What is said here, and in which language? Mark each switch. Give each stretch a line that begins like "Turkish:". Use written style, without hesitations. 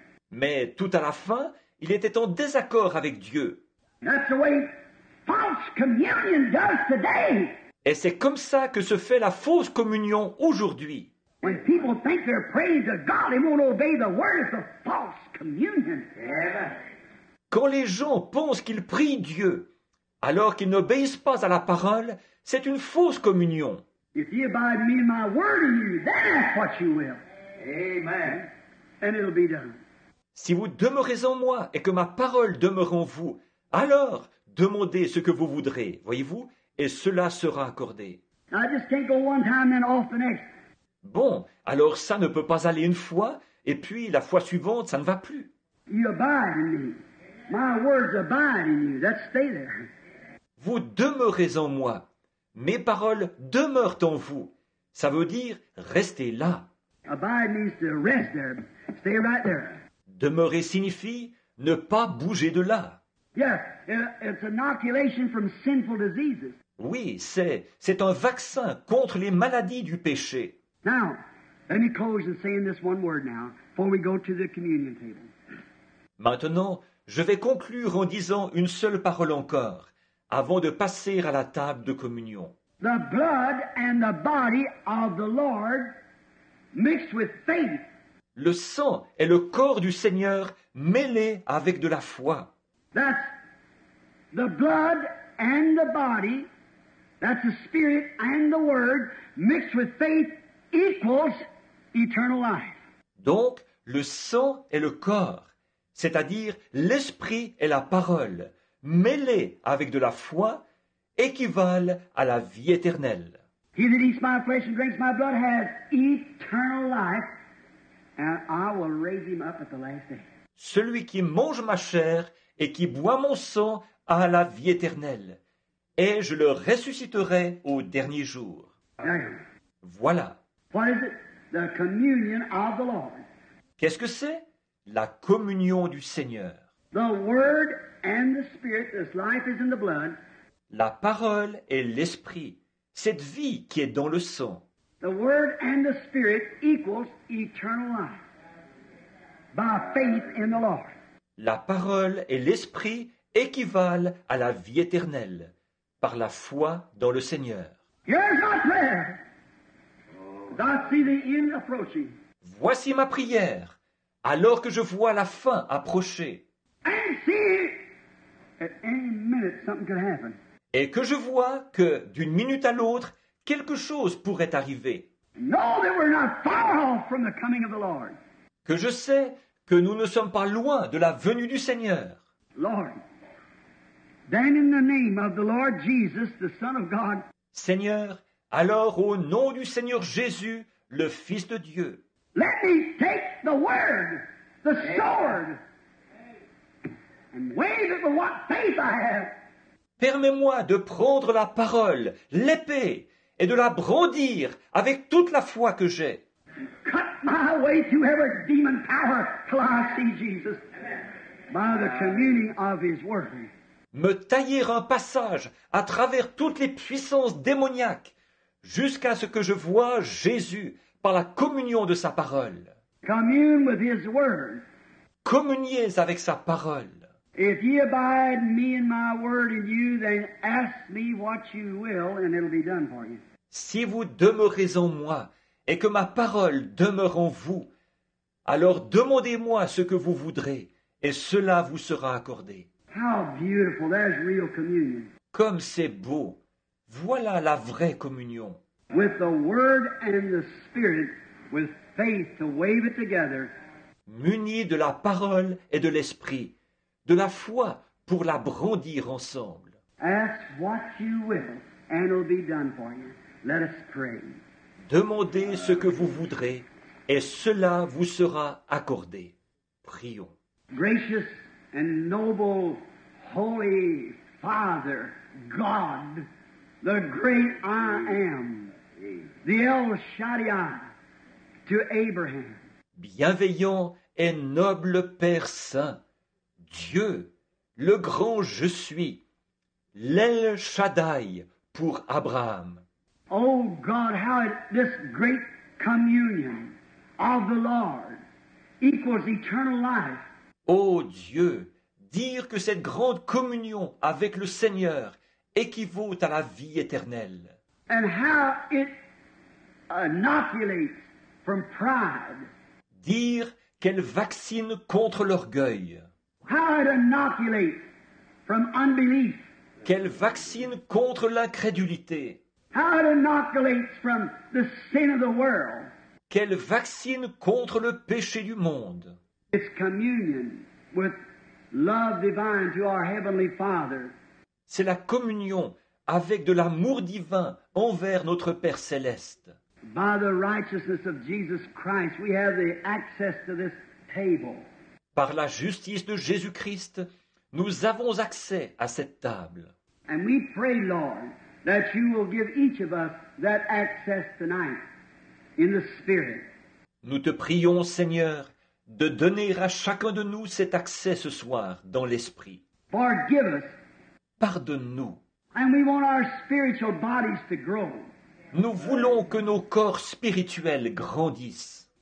French: Mais tout à la fin, il était en désaccord avec Dieu.
English: That's the way false communion does today.
French: Et c'est comme ça que se fait la fausse communion aujourd'hui.
English: When people think they're praying to God, they won't obey the words of false communion.
French: Quand les gens pensent qu'ils prient Dieu, alors qu'ils n'obéissent pas à la parole, c'est une fausse communion.
English: If you abide me and my word in you, then ask what you will. Amen. And it'll be done.
French: Si vous demeurez en moi et que ma parole demeure en vous, alors demandez ce que vous voudrez, voyez-vous, et cela sera accordé.
English: I just can't go one time and off the next.
French: Bon, alors ça ne peut pas aller une fois, et puis la fois suivante, ça ne va plus.
English: You abide in me. My words abide in you. Let's stay there.
French: Vous demeurez en moi. Mes paroles demeurent en vous. Ça veut dire restez là.
English: Abide means to rest there. Stay right there.
French: Demeurer signifie ne pas bouger de là.
English: Yes, it's inoculation from sinful diseases.
French: Oui, c'est un vaccin contre les maladies du péché.
English: Now, let me close and say in this one word now before we go to the communion table.
French: Maintenant, je vais conclure en disant une seule parole encore, avant de passer à la table de communion.
English: The blood and the body of the Lord mixed with faith.
French: Le sang et le corps du Seigneur mêlés avec de la foi.
English: That's the blood and the body, that's the spirit and the word mixed with faith equals eternal life.
French: Donc, le sang et le corps, c'est-à-dire l'esprit et la parole, mêlés avec de la foi, équivalent à la vie éternelle.
English: He that eats my flesh and drinks my blood has eternal life, and I will raise him up at the last day.
French: Celui qui mange ma chair et qui boit mon sang a la vie éternelle, et je le ressusciterai au dernier jour. Voilà.
English: What is it? The communion of the Lord.
French: Qu'est-ce que c'est? La communion du Seigneur.
English: The word and the spirit, this life is in the blood.
French: La parole et l'esprit, cette vie qui est dans le sang.
English: The word and the spirit equals eternal life. By faith in the Lord.
French: La parole et l'esprit équivalent à la vie éternelle par la foi dans le Seigneur.
English: Here's my prayer. I see the end approaching.
French: Voici ma prière, alors que je vois la fin approcher.
English: And see, at any minute something could happen.
French: Et que je vois que, d'une minute à l'autre, quelque chose pourrait arriver.
English: Know that we're not far off from the coming of the Lord.
French: Que je sais que nous ne sommes pas loin de la venue du Seigneur.
English: Lord, then in the name of the Lord Jesus, the Son of God.
French: Seigneur, alors au nom du Seigneur Jésus, le Fils de Dieu.
English: Let me take the word, the sword, and wave it for what faith I have.
French: Permets-moi de prendre la parole, l'épée, et de la brandir avec toute la foi que j'ai.
English: Cut my way to every demon power till I see Jesus by the communing of his word.
French: Me tailler un passage à travers toutes les puissances démoniaques jusqu'à ce que je vois Jésus par la communion de sa parole.
English: Commune with his word.
French: Communiez avec sa parole.
English: If ye abide me and my word in you, then ask me what you will, and it'll be done for you.
French: Si vous demeurez en moi et que ma parole demeure en vous, alors demandez-moi ce que vous voudrez, et cela vous sera accordé.
English: How beautiful, that's real communion.
French: Comme c'est beau. Voilà la vraie communion.
English: With the word and the spirit, with faith to wave it together.
French: Muni de la parole et de l'esprit, de la foi pour la brandir ensemble.
English: Ask what you will, and it'll be done for you. Let us pray.
French: Demandez ce que vous voudrez, et cela vous sera accordé. Prions.
English: Gracious and noble, holy Father, God, the great I am, the El Shaddai to Abraham.
French: Bienveillant et noble Père Saint, Dieu, le grand Je suis, l'El Shaddai pour Abraham.
English: Oh God, how this great communion of the Lord equals eternal life.
French: Oh Dieu, dire que cette grande communion avec le Seigneur équivaut à la vie éternelle.
English: And how it inoculates from pride.
French: Dire qu'elle vaccine contre l'orgueil.
English: How it inoculates from unbelief.
French: Qu'elle vaccine contre l'incrédulité.
English: How it inoculates from the sin of the world.
French: Qu'elle vaccine contre le péché du monde.
English: It's communion with love divine to our heavenly Father.
French: C'est la communion avec de l'amour divin envers notre Père céleste.
English: By the righteousness of Jesus Christ, we have the access to this table.
French: Par la justice de Jésus-Christ, nous avons accès à cette table.
English: And we pray, Lord, that you will give each of us that access tonight in the Spirit.
French: Nous te prions, Seigneur, de donner à chacun de nous cet accès ce soir dans l'Esprit.
English: Forgive us.
French: Pardonne-nous.
English: And we want our spiritual bodies to grow.
French: Nous voulons que nos corps spirituels grandissent.